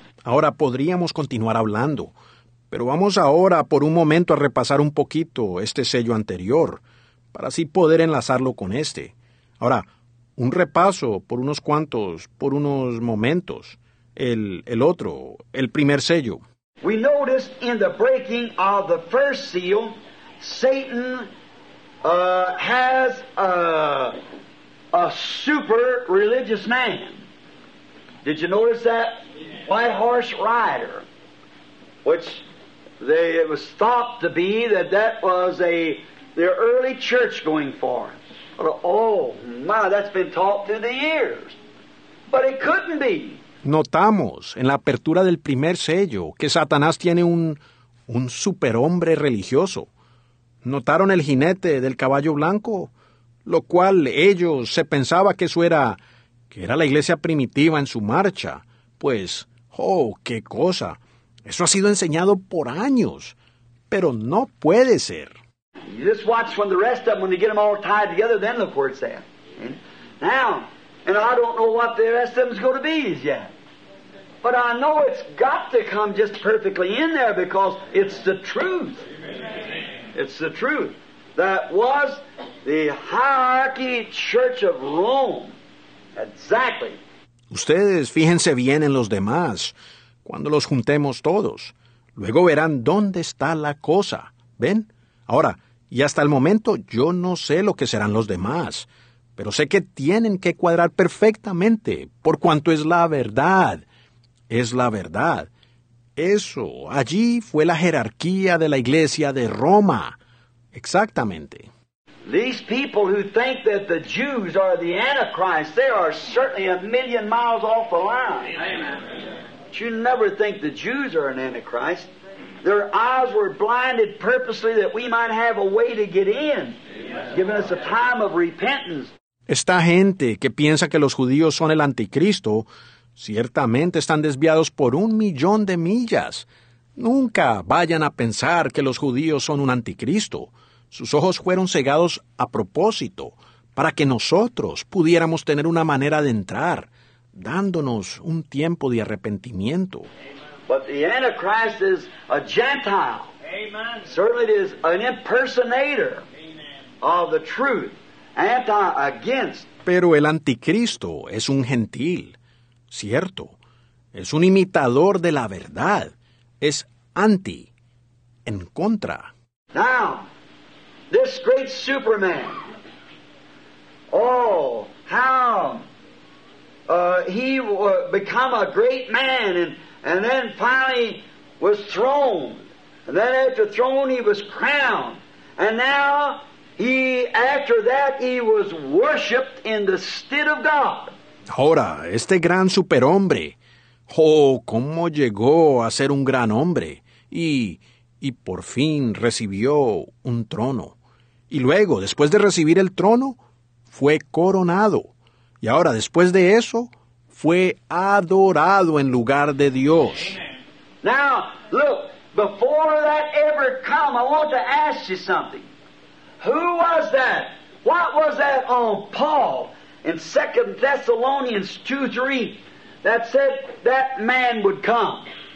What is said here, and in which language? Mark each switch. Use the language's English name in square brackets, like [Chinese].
[Spanish] Ahora podríamos continuar hablando, pero vamos ahora por un momento a repasar un poquito este sello anterior, para así poder enlazarlo con este. Ahora, un repaso por unos momentos, el primer sello. [English] We noticed in the breaking of the first seal, Satan has a super religious man. Did you notice that white horse rider? Which they, it was thought to be that that was a the early church going for. Oh, my, that's been taught through the years. But it couldn't be. [Spanish] Notamos en la apertura del primer sello que Satanás tiene un superhombre religioso. Notaron el jinete del caballo blanco, lo cual ellos se pensaba que eso era, que era la iglesia primitiva en su marcha. Pues, oh, qué cosa. Eso ha sido enseñado por años, pero no puede ser. [English] You just watch when the rest of them, when they get them all tied together, then look where it's at. Now, and I don't know what the rest of them's going to be as yet. But I know it's got to come just perfectly in there because it's the truth. It's the truth. That was the hierarchy church of Rome. Exactly. [Spanish] Ustedes fíjense bien en los demás cuando los juntemos todos. Luego verán dónde está la cosa. ¿Ven? Ahora, y hasta el momento yo no sé lo que serán los demás, pero sé que tienen que cuadrar perfectamente por cuanto es la verdad. Es la verdad. Eso, allí fue la jerarquía de la iglesia de Roma. Exactamente. [English] These people who think that the Jews are the Antichrist, they are certainly a million miles off the line. Amen. But you never think the Jews are an Antichrist. Their eyes were blinded purposely that we might have a way to get in, giving us a time of repentance. [Spanish] Esta gente que piensa que los judíos son el anticristo, ciertamente están desviados por un millón de millas. Nunca vayan a pensar que los judíos son un anticristo. Sus ojos fueron cegados a propósito, para que nosotros pudiéramos tener una manera de entrar, dándonos un tiempo de arrepentimiento. [English] But the Antichrist is a Gentile. Amen. Certainly it is an impersonator. Amen. Of the truth. Anti, against. [Spanish] Pero el anticristo es un gentil, cierto. Es un imitador de la verdad. Es anti, en contra. [English] Now, this great Superman, oh, how he become a great man and then finally was thrown. And then after thrown, he was crowned. And now, he after that, he was worshipped in the stead of God. [Spanish] Ahora, este gran superhombre, oh, cómo llegó a ser un gran hombre y por fin recibió un trono. Y luego, después de recibir el trono, fue coronado. Y ahora, después de eso, fue adorado en lugar de Dios. [English] Now, look, before that ever come, I want to ask you something. Who was that? What was that on Paul in 2 Thessalonians 2:3 that said that man would come?